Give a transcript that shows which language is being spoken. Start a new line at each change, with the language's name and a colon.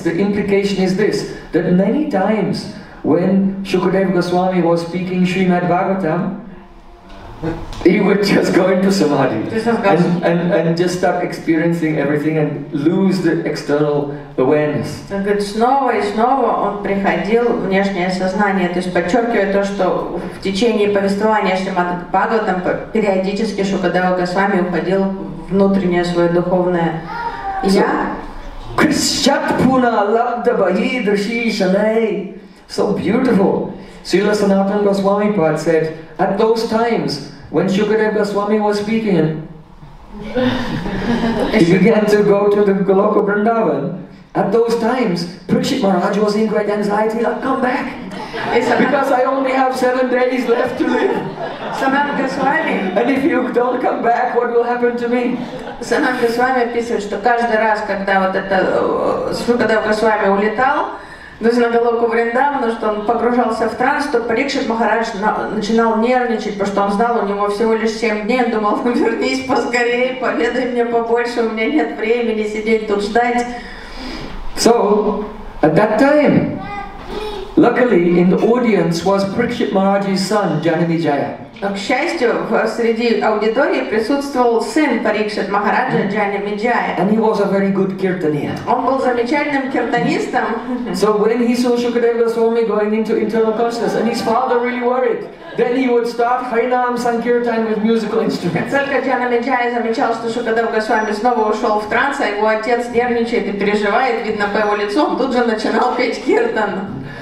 English: The implication is this, that many times when Shukadeva Goswami was speaking Srimad Bhagavatam, he would just go into samadhi and just start experiencing everything and lose the external awareness.
Russian: Так вот снова и снова он приходил в внешнее сознание, то есть подчеркивая то, что в течение повествования Шримад Бхагаватам периодически Шукадева Госвами уходил в внутреннее свое духовное я.
Sanskrit: Krishchat Puna Labdha Bahi Drishi Shanai.
English: So beautiful. Srila Sanatan Goswami Pad said, at those times when Shukadeva Goswami was speaking, he began to go to the Goloka Vrindavan. At those times, Parikshit Maharaj was in great anxiety, like, come back, because I only have 7 days left to live. Sanat Goswami. And if you don't come back, what will happen to me?
Russian: Sanat Goswami описывает, что каждый раз, когда вот это Шукадева Госвами улетал, то есть на Голоку Вриндавану, что он погружался в транс, то Парикшит Махарадж начинал нервничать, потому что он знал, у него всего лишь 7 дней, он думал, ну вернись поскорее, поведай мне побольше, у меня нет времени сидеть тут ждать.
English: So, at that time, luckily, in the audience was Parikshit Maharaj's son, Janavijaya.
Russian: Но, к счастью, среди аудитории присутствовал сын Парикшит Махараджа Джани Виджая.
English: And he was a very good kirtaniya.
Russian: Он был замечательным киртанистом.
English: So when he saw Shukadeva Goswami going into internal consciousness, and his father really worried, then he would start Harinam Sankirtan with musical instruments.
Russian: Только Джани Виджая замечал, что Шукадева Госвами снова ушел в транс, а его отец нервничает и переживает, видно по его лицу, он тут же начинал петь киртан.